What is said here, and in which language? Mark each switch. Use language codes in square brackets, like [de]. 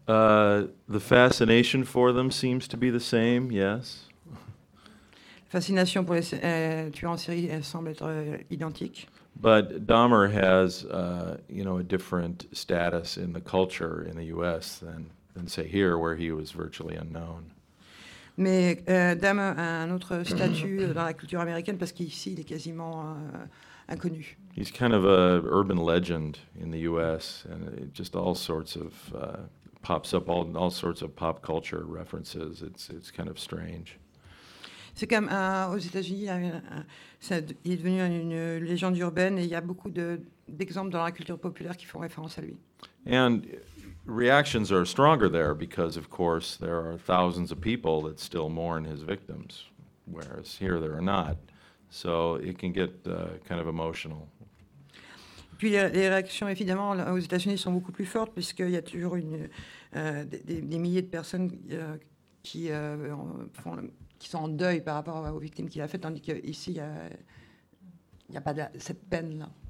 [en] The fascination for them seems to be the same, yes. [fr] Fascination pour les tueurs en série semble être identique. [en] But Dahmer has, you know, a different status in the culture in the U.S. than say here, where he was virtually unknown. [fr] Mais Dahmer a un autre statut dans la culture américaine parce qu'ici il est quasiment inconnu. [en] He's kind of a urban legend in the U.S. and it just all sorts of pops up all sorts of pop culture references. It's kind of strange. [fr] C'est comme aux États-Unis, il est devenu une légende urbaine et il y a beaucoup d'exemples dans la culture populaire qui font référence à lui. [en] And reactions are stronger there because, of course, there are thousands of people that still mourn his victims, whereas here there are not. So it can get kind of emotional. [fr] Puis les réactions, évidemment, aux États-Unis sont beaucoup plus fortes puisqu'il y a toujours des milliers de personnes qui font... qui sont en deuil par rapport aux victimes qu'il a faites, tandis qu'ici, il n'y a pas cette peine-là.